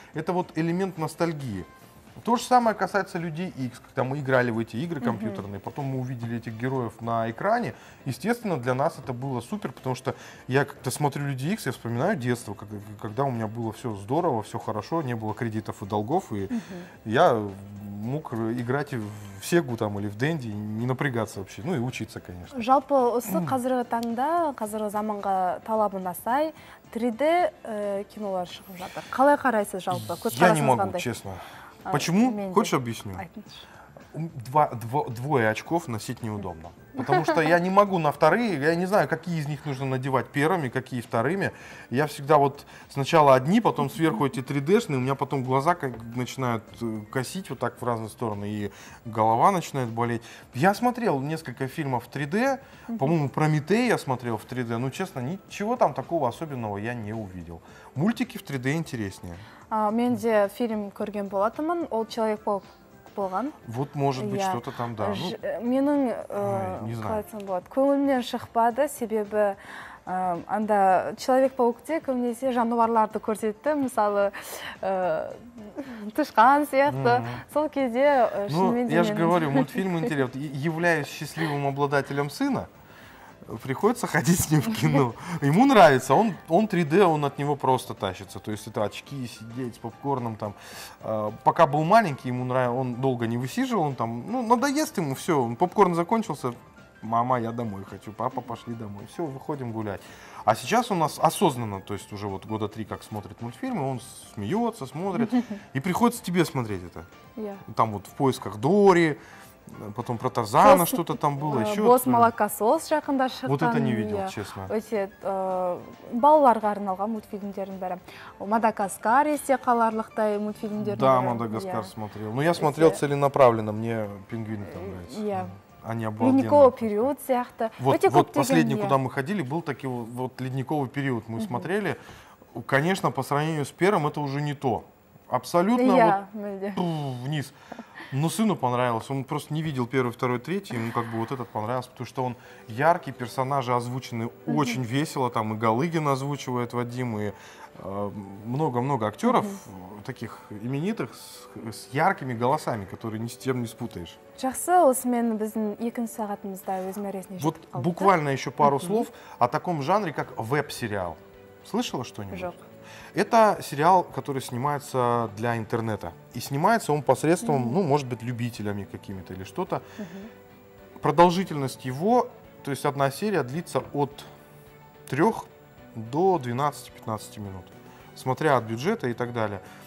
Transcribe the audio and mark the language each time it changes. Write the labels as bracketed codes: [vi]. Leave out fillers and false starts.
[ru] Это вот элемент ностальгии. То же самое касается Людей X, когда мы играли в эти игры компьютерные, потом мы увидели этих героев на экране. Естественно, для нас это было супер, потому что я как-то смотрю Людей X, я вспоминаю детство, когда у меня было все здорово, все хорошо, не было кредитов и долгов, и я мог играть в Сегу там или в Денди, не напрягаться вообще, ну и учиться, конечно. [kk] Жалпы, осы қазіргі таңда, қазіргі заманға талабына сай, 3D кинолар шығып жатыр. Қалай қарайсыз жалпы? [ru] Я не могу, честно. Почему? Хочешь, объясню? Двое очков носить неудобно. Потому что я не могу на вторые, я не знаю, какие из них нужно надевать первыми, какие вторыми. Я всегда вот сначала одни, потом сверху эти 3D-шные, у меня потом глаза начинают косить вот так в разные стороны, и голова начинает болеть. Я смотрел несколько фильмов в 3D, по-моему, «Прометей» я смотрел в 3D, но, честно, ничего там такого особенного я не увидел. Мультики в 3D интереснее. [kk] Мен де фильм көрген болатынмын, ол Человек-паук болған. [ru] Вот может быть что-то там, да. [kk] Менің, қалайтын болады, көңілімнен шықпады, себебі анда Человек-паукте көмінесе жануарларды көрсетті, мысалы, тышқан сияқты, сол кезде шынмен де... [ru] Ну, я же говорю, мультфильм интересен. Являюсь счастливым обладателем сына, приходится ходить с ним в кино. Ему нравится, он 3D, он от него просто тащится. То есть это очки, сидеть с попкорном там. Пока был маленький, ему нравилось, он долго не высиживал, он там, ну, надоест ему, все, попкорн закончился. Мама, я домой хочу, папа, пошли домой. Все, выходим гулять. А сейчас у нас осознанно, то есть уже вот года 3 как смотрит мультфильмы, он смеется, смотрит. И приходится тебе смотреть это. Там вот в поисках Дори. Потом про Тарзана что-то там было, еще. [kk] Босс Молокосос жақында шыққан. [ru] Вот это не видел, честно. [kk] Өте, балаларға арналған мультфильмдерін бәрі. Мадагаскар есте қаларлықтай мультфильмдерін. [ru] Да, Мадагаскар смотрел. Но я смотрел целенаправленно, мне пингвины там нравятся. Они обалденные. [kk] Ледниковый период сияқты. [ru] Вот последний, куда мы ходили, был такой вот ледниковый период. Мы смотрели, конечно, по сравнению с первым, это уже не то. Абсолютно вниз. Ну, сыну понравилось. Он просто не видел первый, второй, третий. Ему как бы вот этот понравился, потому что он яркий, персонажи озвучены очень весело. Там и Галыгин озвучивает Вадим, и много-много актеров таких именитых с яркими голосами, которые ни с тем не спутаешь. [kk] Жақсы, осы мен біздің екінші сағатымызда өзім әресіне жетіп қалды. [ru] Вот буквально еще пару слов о таком жанре, как веб-сериал. Слышала что-нибудь? [kk] Жоқ. [ru] Это сериал, который снимается для интернета. И снимается он посредством, ну, может быть, любителями какими-то или что-то. Продолжительность его, то есть одна серия длится от 3 до 12-15 минут, смотря от бюджета и так далее.